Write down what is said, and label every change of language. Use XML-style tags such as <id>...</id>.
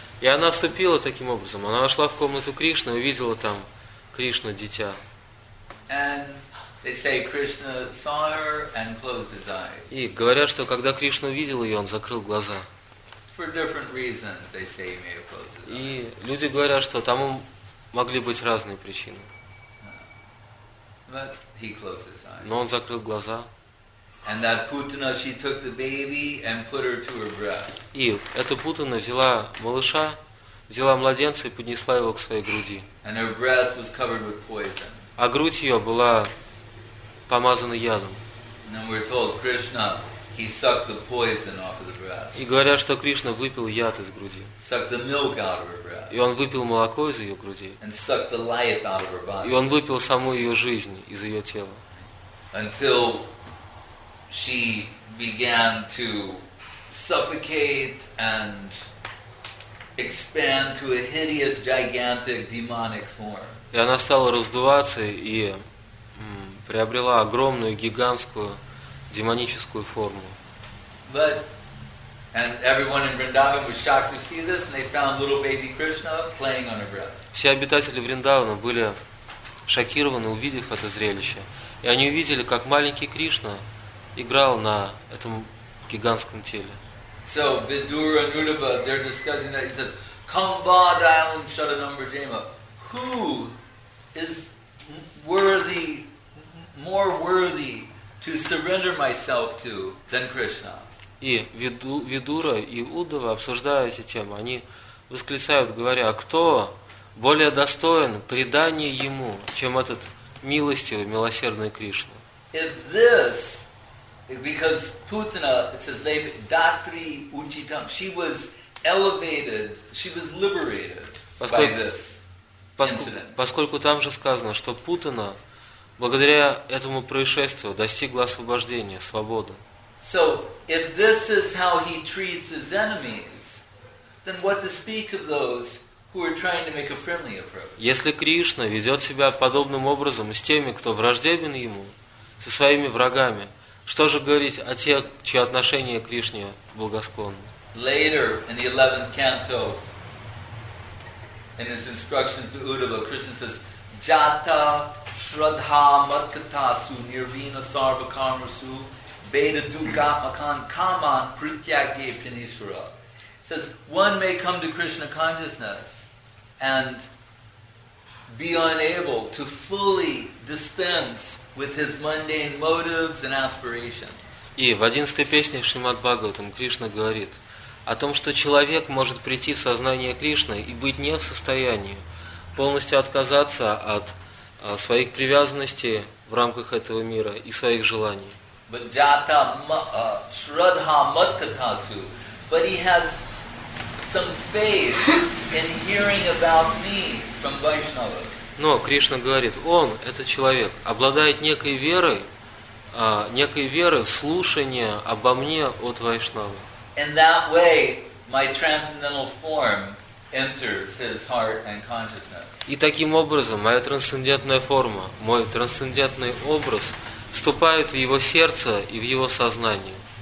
<ru>И она вступила таким образом. Она вошла в комнату Кришны и увидела там Кришну, дитя.</ru> <en>And they say Krishna saw her and closed his eyes.</en> <ru>И говорят, что когда Кришна увидел ее, он закрыл глаза.</ru> <en>For different reasons, they say he may have closed his eyes.</en> <ru>И люди говорят, что тому могли быть разные причины.</ru> <en>But he closed his eyes.</en> <ru>Но он закрыл глаза.</ru> <en>And that Putana, she took the baby and put her to her breast.</en> <ru>И эта Путана взяла малыша, взяла младенца и поднесла его к своей груди.</ru> <en>And her breast was covered with poison.</en> <ru>А грудь ее была помазана ядом.</ru> <en>And then we're told Krishna, he sucked the poison off of the breast.</en> <ru>И говорят, что Кришна выпил яд из груди.</ru> <en>Sucked the milk out of her breast.</en> <ru>И он выпил молоко из ее груди.</ru> <en>And sucked the life out of her body.</en> <ru>И он выпил саму ее жизнь из ее тела.</ru> <en>Until she began to suffocate and expand to a hideous, gigantic, demonic form.</en> <ru>И она стала раздуваться и приобрела огромную, гигантскую, демоническую форму.</ru> <en>But, and everyone in Vrindavan was shocked to see this, and they found little baby Krishna playing on her breast.</en> <ru>Все обитатели Вриндавана были шокированы, увидев это зрелище. И они увидели, как маленький Кришна играл на этом гигантском теле.</ru> <en>So Vidura and Uddhava, they're discussing that. He says,</en> <sa>"Kamba Dayam Shadanam Brajema.</sa> <en>Who is worthy, more worthy to surrender myself to than Krishna?"</en> <ru>И Vidura и Uddhava обсуждают эти темы. Они восклицают, говоря, а кто более достоин предания ему, чем этот милостивый, милосердный Кришна?</ru> <en>If this, because Putana, it says,</en> <sa>Datri Uchitam,</sa> <en>she was elevated, she was liberated by this incident.</en> <ru>Поскольку там же сказано, что Путана, благодаря этому происшествию, достигла освобождения, свободы.</ru> <en>So, if this is how he treats his enemies, then what to speak of those who are trying to make a friendly approach?</en> <ru>Если Кришна ведет себя подобным образом с теми, кто враждебен ему, со своими врагами, что же говорить о тех, чьи отношения к Кришне благосклонны?</ru> <en>Later, in the 11th canto, in his instructions to Uddhava, Krishna says,</en> <sa>Jata shraddha matkatasu nirvina sarvakarmasu beda dukkatmakan kaman prityagye pinishvara.</sa> <en>Says, one may come to Krishna consciousness and be unable to fully dispense with his mundane motives and aspirations.</en> <ru>И в 11-й песне Шримад-Бхагаватам Кришна говорит о том, что человек может прийти в сознание Кришны и быть не в состоянии полностью отказаться от своих привязанностей в рамках этого мира и своих желаний.</ru> <en>But</en> <sa>jata shraddha matkatasu,</sa> <en>but he has some faith in hearing about me from Vaishnavas.</en> <ru>Но Кришна говорит, он, этот человек, обладает некой верой, в слушание обо мне от Вайшнавы.</ru> <en>In that way, my transcendental form enters his heart and consciousness.</en> <ru>И таким образом, моя трансцендентная форма, мой трансцендентный образ вступает в его сердце и в его сознание.</ru>